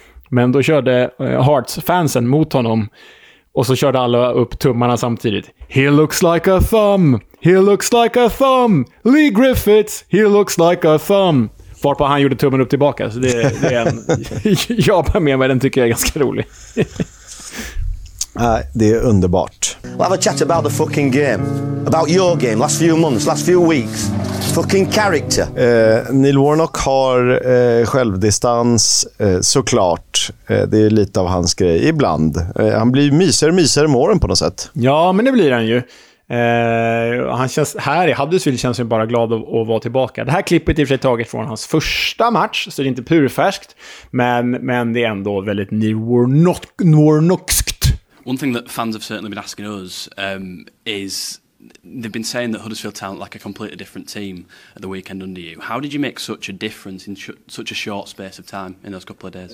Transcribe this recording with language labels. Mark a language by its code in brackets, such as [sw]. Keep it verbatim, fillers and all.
[sv] Men då körde eh, Hearts-fansen mot honom och så körde alla upp tummarna samtidigt. [en] He looks like a thumb! He looks like a thumb! Lee Griffiths! He looks like a thumb! [sv] Varpå han gjorde tummen upp tillbaka. Så det, det är en, jag bara med mig, den tycker jag är ganska rolig. Nej, det är underbart. [en] We'll have a chat about the fucking game. About your game, last few months, last few weeks. Fucking character. [sv] Eh, Neil Warnock har eh, självdistans, eh, såklart. Eh, det är lite av hans grej ibland. Eh, han blir mysigare och mysigare med åren på något sätt. Ja, men det blir han ju. Uh, han känns, här i Huddersfield känns ju bara glad att, att vara tillbaka. Det här klippet är i och för sig taget från hans första match, så det är inte purfärskt, men, men det är ändå väldigt Warnockskt. [en] One thing that fans have certainly been asking us um, is they've been saying that Huddersfield sound like a completely different team at the weekend under you. How did you make such a difference in sh- such a short space of time in those couple of days?